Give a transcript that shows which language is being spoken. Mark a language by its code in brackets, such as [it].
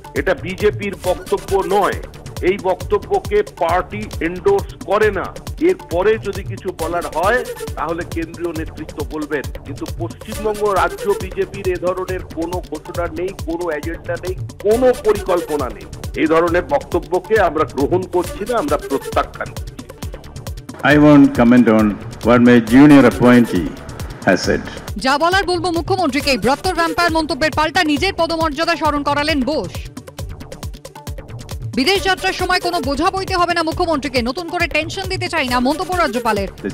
[bn] এটা বিজেপির বক্তব্য নয়, এই বক্তব্যকে পার্টি এন্ডোর্স করে না। এরপরে যদি কিছু বলার হয় তাহলে কেন্দ্রীয় নেতৃত্ব বলবেন, কিন্তু পশ্চিমবঙ্গ রাজ্য বিজেপির এ ধরনের কোনো ঘোষণা নেই, কোনো এজেন্ডা নেই, কোনো পরিকল্পনা নেই। এই ধরনের বক্তব্যকে আমরা গ্রহণ করছি না, আমরা প্রত্যাখ্যান করছি। [en] I won't comment on what my junior appointee has said. [bn] যা বলার বলবো মুখ্যমন্ত্রীকে, বৃহত্তর ভ্যাম্পায়ার মন্তব্যের পাল্টা নিজের পদমর্যাদা স্মরণ করালেন বোস। বিদেশ যাত্রার সময় কোনো বোঝা বইতে হবে না মুখ্যমন্ত্রীকে, নতুন করে টেনশন দিতে চাই না মন্তব্য রাজ্যপালের।